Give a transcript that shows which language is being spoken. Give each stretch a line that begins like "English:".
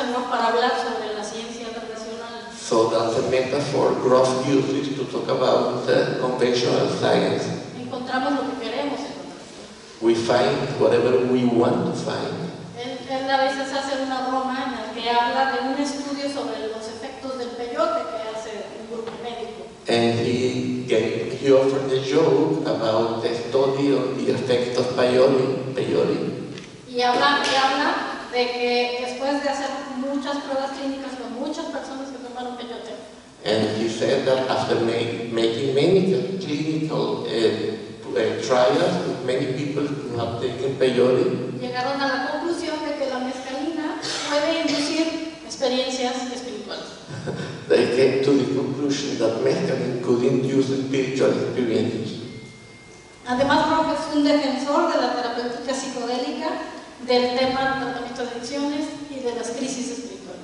Spanish: Entonces, esa es una metáfora que usa Groff para hablar sobre la ciencia tradicional.
English: So that's a metaphor Groff uses to talk about conventional science.
Spanish: Encontramos lo que queremos encontrar.
English: We find whatever we want to find.
Spanish: Él a veces hace una broma en la que habla de un estudio sobre los efectos del peyote que hace un grupo médico.
English: And he offered a joke about the study of the effect of peyote.
Spanish: Y habla de que después de hacer muchas pruebas clínicas con muchas personas que tomaron peyote.
English: And he said that after making many clinical trials with many people who have taken peyote,
Spanish: llegaron a la conclusión de que la mescalina puede inducir experiencias espirituales.
English: They came to the conclusion that mescaline could induce spiritual experiences.
Spanish: Además, Rob es un defensor de la terapéutica psicodélica, del tema de tratamiento de adicciones y de las crisis espirituales.